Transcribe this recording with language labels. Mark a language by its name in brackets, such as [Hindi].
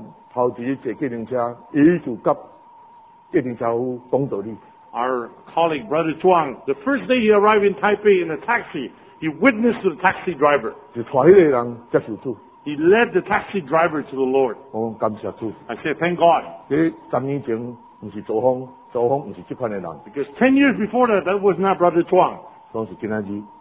[Min Nan Chinese] 头一日坐计程车，伊就甲计程车夫讲道理。 [English] Our colleague Brother Chuang, the first day he arrived in Taipei in a taxi, he witnessed to the taxi driver. [Min Nan Chinese] 就带迄个人接受主。 [English] He led the taxi driver to the Lord. [Min Nan Chinese] 我感谢主。 [English] I said, thank God. [Min Nan Chinese] 这十年前不是周峰，周峰不是这款的人。 [English] Because 10 years before that, that was not Brother Chuang.